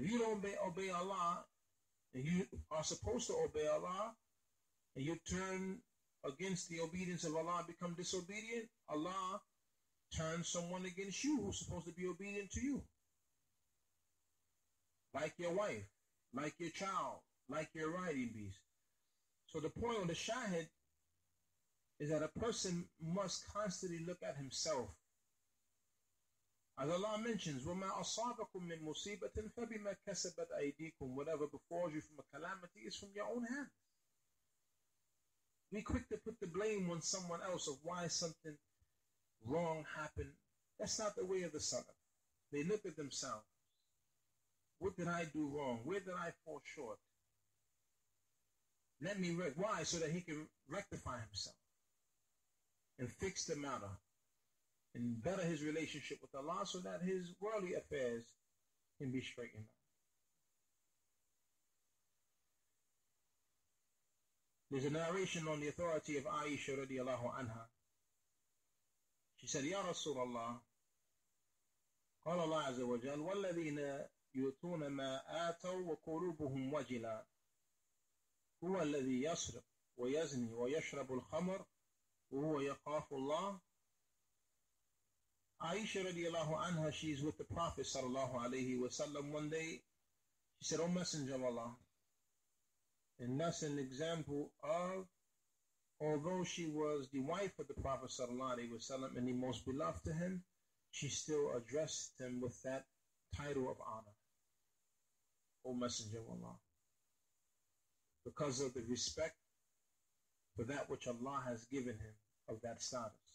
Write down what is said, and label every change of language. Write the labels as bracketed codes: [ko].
[en] If you don't obey Allah, and you are supposed to obey Allah, and you turn against the obedience of Allah and become disobedient, Allah turn someone against you who's supposed to be obedient to you. Like your wife, like your child, like your riding beast. So the point on the shahid is that a person must constantly look at himself. As Allah mentions, [ar] وَمَا أَصَابَكُم مِّن مُصِيبَةٍ فَبِمَا كَسَبَتْ أَيْدِيكُمْ. [en] Whatever befalls you from a calamity is from your own hand. Be quick to put the blame on someone else of why something wrong happened. That's not the way of the Salaf. They look at themselves. What did I do wrong? Where did I fall short? Let me read. Why? So that he can rectify himself and fix the matter and better his relationship with Allah so that his worldly affairs can be straightened out. There's a narration on the authority of Aisha radiallahu anha. She said, [ar] "Ya Rasulullah, قال الله عز وجل والذين يؤتون ما آتوا وقلوبهم وجلا هو الذي يسرق ويزني ويشرب الخمر وهو يخاف الله [en] Aisha radiallahu anha, she is with the Prophet sallallahu alayhi wa sallam. One day, she said, O Messenger of Allah, and that's an example of, although she was the wife of the Prophet sallallahu alayhi wa sallam and the most beloved to him, she still addressed him with that title of honor, O Messenger of Allah, because of the respect for that which Allah has given him of that status.